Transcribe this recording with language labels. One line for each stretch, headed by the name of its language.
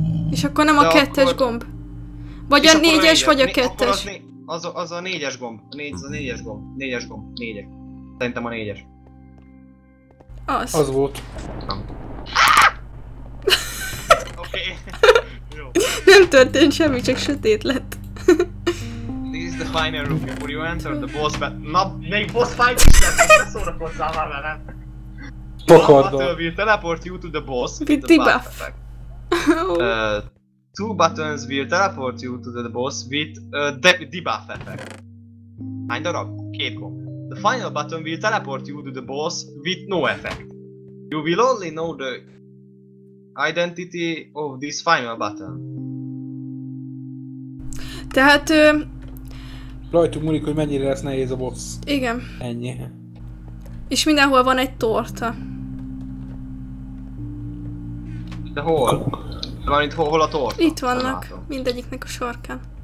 Hungarian: És akkor nem de a kettes akkor... gomb. Vagy a négyes, vagy a kettes. Az a négyes gomb. Négyes gomb. Négyes. Szerintem a négyes. Az. Az volt. Nem történt semmi, csak sötét lett.
English: This is the final room before you enter the boss battle.
Hungarian: Na, még boss fight is lett, hogy szórakozzál már vele. Pokardó.
English: One will teleport you to the boss. Pity buff. Two buttons will teleport you to the boss with debuff effect.
Hungarian: Hány darab? Két gomb.
English: The final button will teleport you to the boss with no effect. You will only know the identity of this final button.
Hungarian: Tehát... Rajtuk múlik, hogy mennyire lesz nehéz a boss. Igen. Ennyi. És mindenhol van egy torta. De hol? Van itt hol a torta? Itt vannak, mindegyiknek a sarkán.